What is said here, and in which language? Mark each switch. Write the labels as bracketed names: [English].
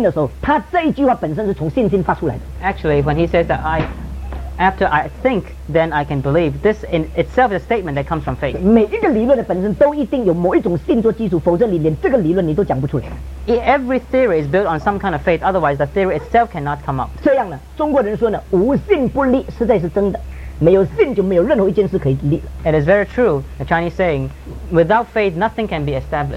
[Chinese] 所以当他提出这个，我知道了，我就信的时候，他这一句话本身是从信心发出来的。 [English] Actually, when he says that after I think, then I can believe, this in itself is a statement that comes from faith. [Chinese] 每一个理论的本身都一定有某一种信托基础，否则你连这个理论你都讲不出来。 [English] Every theory is built on some kind of faith, otherwise the theory itself cannot come up. [Chinese] 这样呢，中国人说呢，无信不立，实在是真的。没有信就没有任何一件事可以立了。 [English] It is very true, the Chinese saying, without faith, nothing can be established.